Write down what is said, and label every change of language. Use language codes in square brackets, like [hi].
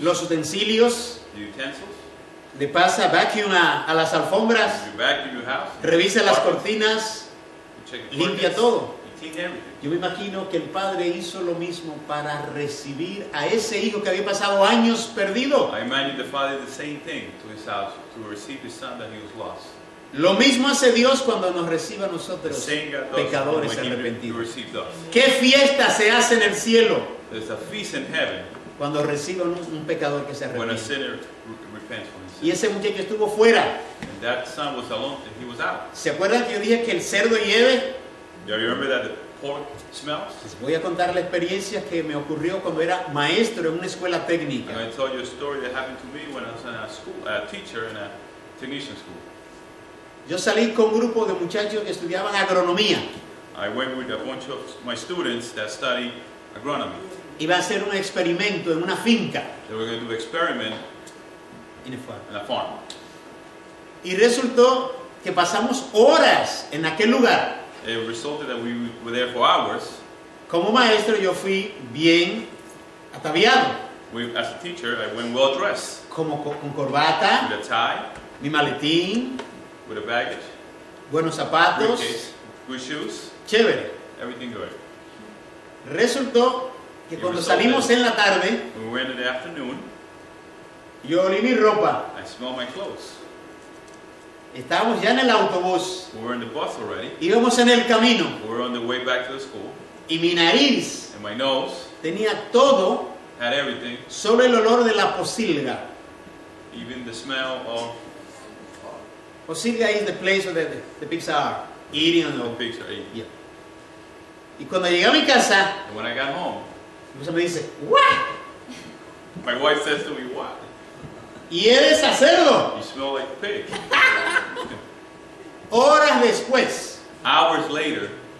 [es] Los utensilios. [en] The utensils. [es] Le pasa vacuum a las alfombras, [en] you vacuum your house, [es] revisa [en] you [es] las cortinas, limpia todo. [en] You. [es] Yo me imagino que el padre hizo lo mismo para recibir a ese hijo que había pasado años perdido. [en] I imagine the father did the same thing to his house to receive his son that he was lost. [es] Lo mismo hace Dios cuando nos recibe a nosotros, pecadores arrepentidos. ¿Qué fiesta se hace en el cielo? [en] There's a feast in heaven. [es] Cuando recibe un pecador que se arrepiente. [en] When a sinner repents. [es] Y ese muchacho estuvo fuera. [en] And that son was alone and he was out. [es] ¿Se acuerdan que yo dije que el cerdo hiede? [en] Do you remember that the pork smells? [es] Voy a contar la experiencia que me ocurrió cuando era maestro en una escuela técnica. [en] And I told you a story that happened to me when I was in a school, a teacher in a technician school. [es] Yo salí con un grupo de muchachos que estudiaban agronomía. [en] I went with a bunch of my students that study agronomy. [es] Iba a hacer un experimento en una finca. [en] They were going to do an experiment. [es] En [en] la farm. [es] Y resultó que pasamos horas en aquel lugar. [en] It resulted that we were there for hours. [es] Como maestro yo fui bien ataviado. [en] As a teacher I went well dressed. [es] Como con corbata. [en] With a tie. [es] Mi maletín. [en] With a baggage. [es] Buenos zapatos. [en] Good shoes. [es] Chévere. [en] Everything good. [es] Resultó que [en] it [es] cuando salimos en la tarde. [en] We went in the afternoon. [es] Yo olí mi ropa. [en] I smell my clothes. [es] Estábamos ya en el autobús. [en] We were in the bus already. [es] Íbamos en el camino. [en] We were on the way back to the school. [es] Y mi nariz. [en] And my nose. [es] Tenía todo. [en] Had everything. [es] Solo el olor de la pocilga. [en] Even the smell of. Pocilga is the place where the pigs are eating on the pigs are eating. Yeah. [es] Y cuando llegué a mi casa. [en] And when I got home. [es] Mi esposa me dice, what? [en] My wife says to me, what? [es] Y eres a cerdo. [en] You smell like pig. [es] Horas después. [en] Hours later.